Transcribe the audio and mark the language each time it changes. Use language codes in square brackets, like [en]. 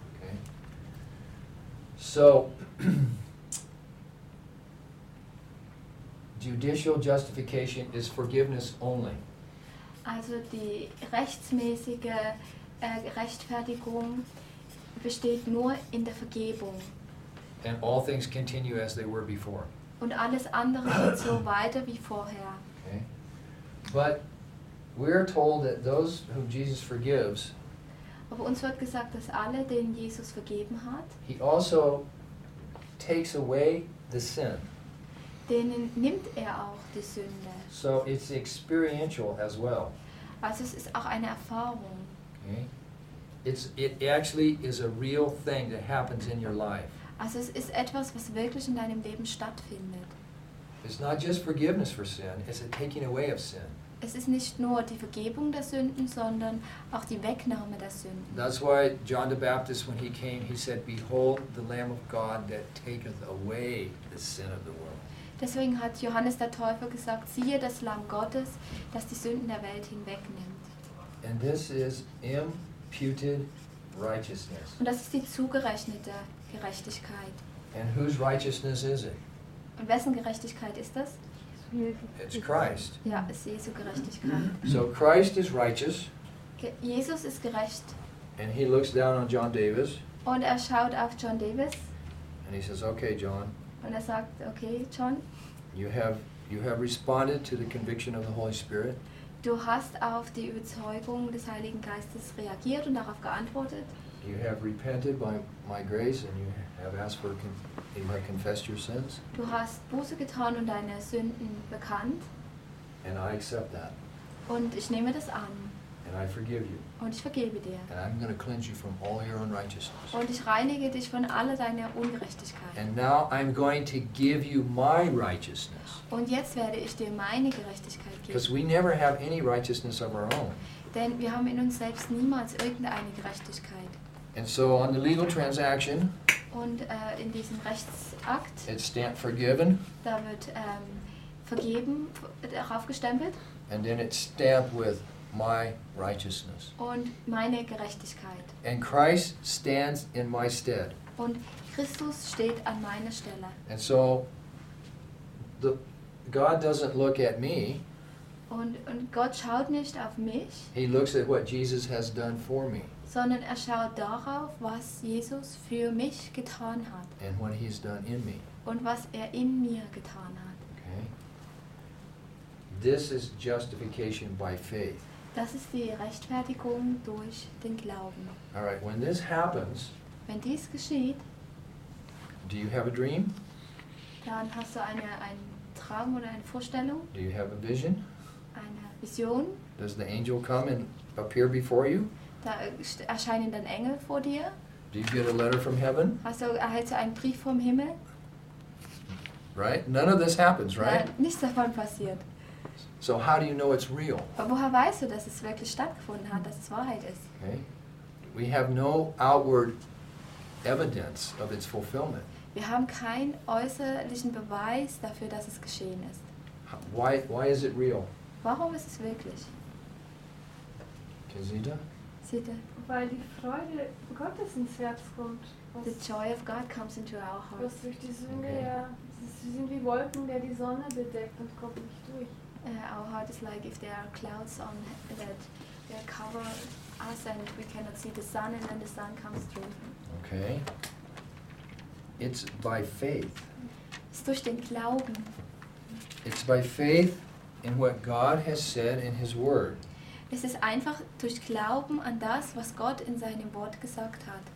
[en] Okay. So, judicial justification is forgiveness only. [de] Also die rechtsmäßige Rechtfertigung besteht nur in der Vergebung. [en] And all things continue as they were before. [de] Und alles andere geht so weiter wie vorher. [en] Okay. But we're told that those whom Jesus forgives, [de] aber uns wird gesagt, dass alle, denen Jesus vergeben hat, [en] he also takes away the sin. [de] Denen nimmt er auch die Sünde. [en] So it's experiential as well. [de] Also es ist auch eine Erfahrung. [en] Okay. It actually is a real thing that happens in your life. [de] Also es ist etwas, was wirklich in deinem Leben stattfindet. [en] It's not just forgiveness for sin, it's a taking away of sin. [de] Es ist nicht nur die Vergebung der Sünden, sondern auch die Wegnahme der Sünden. [en] That's why John the Baptist, when he came, he said, "Behold, the Lamb of God that taketh away the sin of the world." [de] Deswegen hat Johannes der Täufer gesagt: "Siehe das Lamm Gottes, das die Sünden der Welt hinwegnimmt." [en] And this is imputed righteousness. [de] Und das ist die zugerechnete Gerechtigkeit. [en] And whose righteousness is it? [de] Und wessen Gerechtigkeit ist das? [en] It's Christ. [de] Ja, es ist Jesu Gerechtigkeit. [en] So Christ is righteous. [de] Jesus ist gerecht. [en] And he looks down on John Davis. [de] Und er schaut auf John Davis. [en] And he says, "Okay, John." [de] Und er sagt, okay, John. [en] You have responded to the conviction of the Holy Spirit. [de] Du hast auf die Überzeugung des Heiligen Geistes reagiert und darauf geantwortet. [en] You have repented by my grace and you have asked for you have confessed your sins. [de] Du hast Buße getan und deine Sünden bekannt. [en] And I accept that. [de] Und ich nehme das an. [en] And I forgive you. [de] Und ich vergebe dir. [en] And I'm going to cleanse you from all your unrighteousness. [de] Und ich reinige dich von aller deiner Ungerechtigkeit. [en] And now I'm going to give you my righteousness. [de] Und jetzt werde ich dir meine Gerechtigkeit geben. [en] Because we never have any righteousness of our own. [de] Denn wir haben in uns selbst niemals irgendeine Gerechtigkeit. [en] And so on the legal transaction. [de] Und in diesem Rechtsakt. [en] It's stamped forgiven. [de] Da wird vergeben darauf gestempelt. [en] And then it's stamped with my righteousness. [de] Und meine Gerechtigkeit. [en] And Christ stands in my stead. [de] Und Christus steht an meiner Stelle. [en] And so the God doesn't look at me. [de] Und Gott schaut nicht auf mich. [en] He looks at what Jesus has done for me. [de] Sondern er schaut darauf, was Jesus für mich getan hat. [en] And what he's done in me. [de] Und was er in mir getan hat. [en] Okay. This is justification by faith. [de] Das ist die Rechtfertigung durch den Glauben. [en] All right, when this happens, [de] wenn dies geschieht, [en] do you have a dream? [de] Dann hast du einen Traum oder eine Vorstellung. [en] Do you have a vision? [de] Eine Vision. [en] Does the angel come and appear before you? [de] Da erscheinen dann Engel vor dir. [en] Do you get a letter from heaven? [de] Erhältst du einen Brief vom Himmel? [en] Right? None of this happens, right? [de] Nichts davon passiert. [en] So how do you know it's real? [de] Aber woher weißt du, dass es wirklich stattgefunden hat, dass es Wahrheit ist? [en] Okay. We have no outward evidence of its fulfillment. [de] Wir haben keinen äußerlichen Beweis dafür, dass es geschehen ist. [en] Why is it real? [de] Warum ist es wirklich? Kesita? Sita. Weil die Freude Gottes ins Herz kommt. [en] The joy of God comes into our heart. [de] Was durch die Sünde, okay. Ja, sie sind wie Wolken, der die Sonne bedeckt und kommt nicht durch. [en] Our heart is like if there are clouds on that cover us and we cannot see the sun, and then the sun comes through. Okay. It's by faith. [de] Es ist durch den Glauben. [en] It's by faith in what God has said in His Word. [de] Es ist einfach durch Glauben an das, was Gott in seinem Wort gesagt hat.